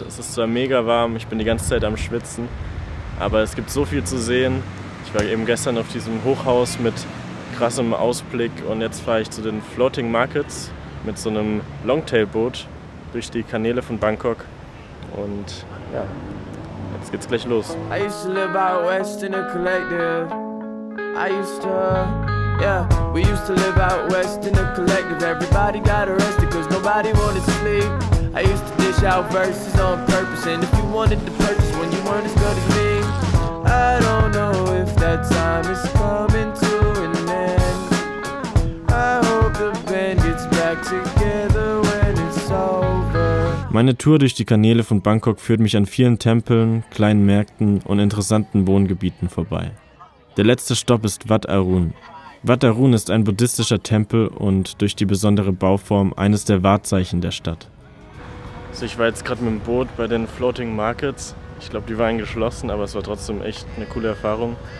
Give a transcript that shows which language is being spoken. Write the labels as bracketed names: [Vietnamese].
[German] Es ist zwar mega warm, ich bin die ganze Zeit am Schwitzen, aber es gibt so viel zu sehen. Ich war eben gestern auf diesem Hochhaus mit krassem Ausblick und jetzt fahre ich zu den Floating Markets mit so einem Longtailboot durch die Kanäle von Bangkok und ja, jetzt geht's gleich los. [English] I used to live out west in a collective. I used to... Yeah, we used to live out west in a collective. Everybody got arrested cause nobody wanted to sleep. I used to dish out verses on purpose. And if you wanted to purchase when you weren't as good as me, I don't know if that time is coming to an end. I hope the band gets back together when it's over. [German] Meine Tour durch die Kanäle von Bangkok führt mich an vielen Tempeln, kleinen Märkten und interessanten Wohngebieten vorbei. Der letzte Stopp ist Wat Arun. Wat Arun ist ein buddhistischer Tempel und durch die besondere Bauform eines der Wahrzeichen der Stadt. Also ich war jetzt gerade mit dem Boot bei den Floating Markets. Ich glaube, die waren geschlossen, aber es war trotzdem echt eine coole Erfahrung.